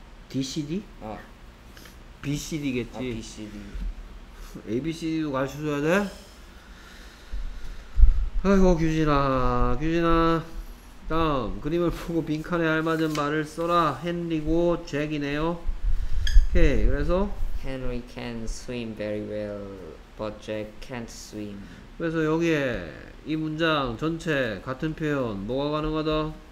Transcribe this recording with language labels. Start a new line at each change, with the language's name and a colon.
Korean: D, C, D? 아. B, C, D겠지. 아, B, C, D. A, B, C, D도 가르쳐줘야 돼? 아이고 규진아, 규진아. 다음, 그림을 보고 빈칸에 알맞은 말을 써라. 헨리고 잭이네요. 오케이, 그래서
English: Henry can swim very well, but Jack can't swim.
Korean: 그래서 여기에 이 문장 전체 같은 표현 뭐가 가능하다?